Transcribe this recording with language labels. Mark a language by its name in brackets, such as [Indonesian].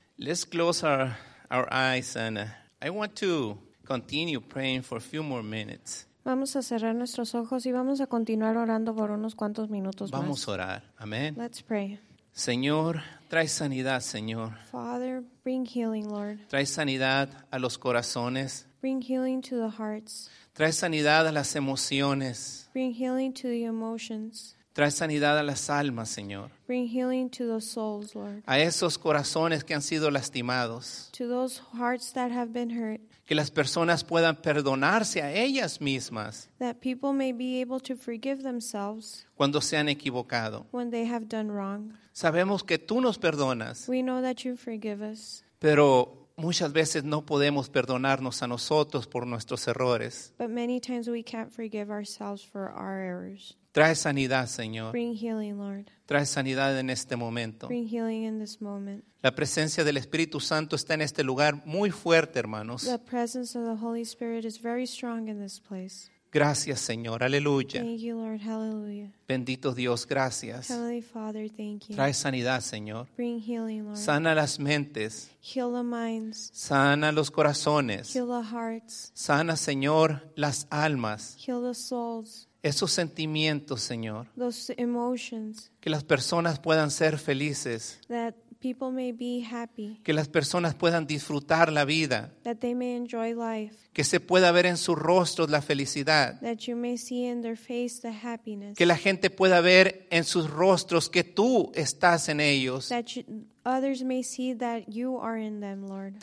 [English] Let's close our eyes and I want to continue praying for a few more minutes. [Spanish] Vamos a cerrar nuestros ojos y vamos a continuar orando por unos cuantos minutos más. Vamos a orar. Amén. [English] Let's pray. [Spanish] Señor, trae sanidad, Señor. [English] Father, bring healing, Lord. [Spanish] Trae sanidad a los corazones. [English] Bring healing to the hearts. [Spanish] Trae sanidad a las emociones. [English] Bring healing to the emotions. [Spanish] Trae sanidad a las almas, Señor. [English] Bring healing to the souls, Lord. [Spanish] A esos corazones que han sido lastimados. [English] To those hearts that have been hurt. [Spanish] Que las personas puedan perdonarse a ellas mismas. [English] That people may be able to forgive themselves. [Spanish] Cuando se han equivocado. [English] When they have done wrong. [Spanish] Sabemos que tú nos perdonas. [English] We know that you forgive us. [Spanish] Pero muchas veces no podemos perdonarnos a nosotros por nuestros errores. [English] But many times we can't forgive ourselves for our errors. [Spanish] Trae sanidad, Señor. [English] Bring healing, Lord. [Spanish] Trae sanidad en este momento. [English] Bring healing in this moment. [Spanish] La presencia del Espíritu Santo está en este lugar muy fuerte, hermanos. [English] The presence of the Holy Spirit is very strong in this place. [Spanish] Gracias, Señor. Aleluya. [English] Thank you, Lord. Hallelujah. [Spanish] Bendito Dios, gracias. [English] Heavenly Father, thank you. [Spanish] Trae sanidad, Señor. [English] Bring healing, Lord. [Spanish] Sana las mentes. [English] Heal the minds. [Spanish] Sana los corazones. [English] Heal the hearts. [Spanish] Sana, Señor, las almas. [English] Heal the souls. [Spanish] Esos sentimientos, Señor. [English] Those emotions. [Spanish] Que las personas puedan ser felices. [English] That people may be happy. [Spanish] Que las personas puedan disfrutar la vida. [English] That they may enjoy life. [Spanish] Que se pueda ver en su rostro la felicidad. [English] That you may see in their face the happiness. [Spanish] Que la gente pueda ver en sus rostros que tú estás en ellos. [English] That others may see that you are in them, Lord.